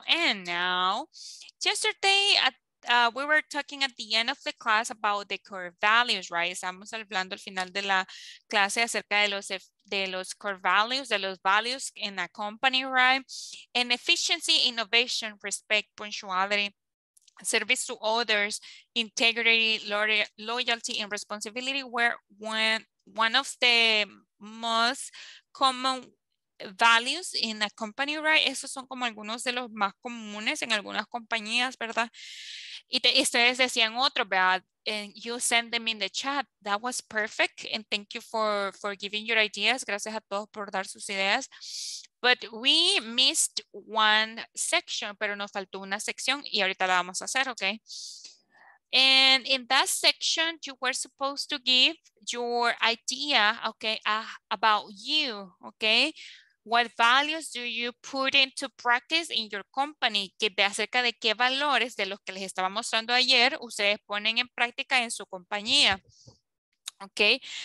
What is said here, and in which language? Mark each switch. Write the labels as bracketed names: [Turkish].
[English] And now, yesterday, we were talking at the end of the class about the core values, right? [Spanish] Estamos hablando al final de la clase acerca de los core values, de los values in a company, right? [English] And efficiency, innovation, respect, punctuality, service to others, integrity, loyalty, and responsibility were one of the most common values in a company, right? [Spanish] Esos son como algunos de los más comunes en algunas compañías, ¿verdad? Y ustedes decían otro, ¿verdad? And you send them in the chat. [English] That was perfect. And thank you for giving your ideas. [Spanish] Gracias a todos por dar sus ideas. But we missed one section, pero nos faltó una sección y ahorita la vamos a hacer, ¿ok? [English] And in that section, you were supposed to give your idea, okay, about you, okay? What values do you put into practice in your company? [Spanish] Que de acerca de qué valores de los que les estaba mostrando ayer ustedes ponen en práctica en su compañía, okay?